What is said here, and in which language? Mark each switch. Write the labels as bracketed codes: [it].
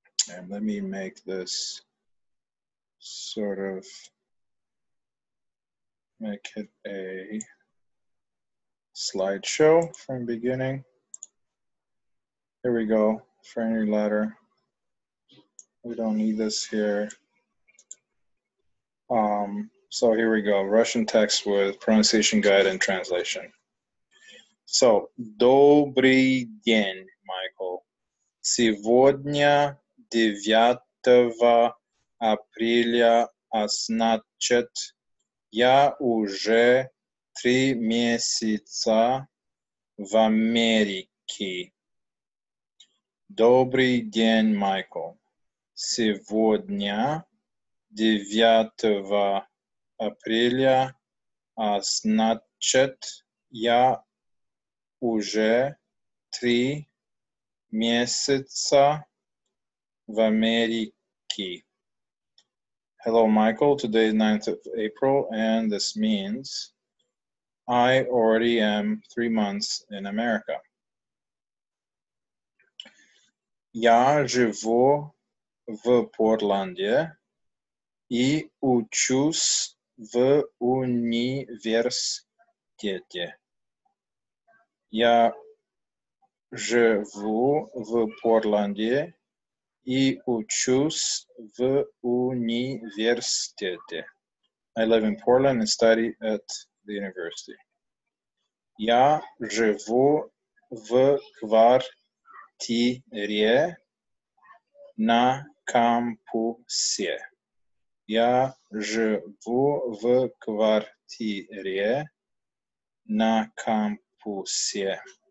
[en] And let me make this sort of make it a slideshow from beginning. Here we go, for any letter. We don't need this here. So here we go, Russian text with pronunciation guide and translation. [ru] So, добрый день, Michael. Сегодня 9 апреля, а значит, я уже 3 месяца в Америке. Добрый день, Майкл. Сегодня 9 апреля, а значит, я уже 3 месяца в Америке. [en] Hello, Michael. Today is 9th of April, and this means I already am 3 months in America. [ru] Я живу в Портланде и учусь в университете. Я живу в Портланде и учусь в университете. [en] I live in Portland and study at the university. [ru] Я живу в квартире на кампусе. Я живу в квартире на кампусе.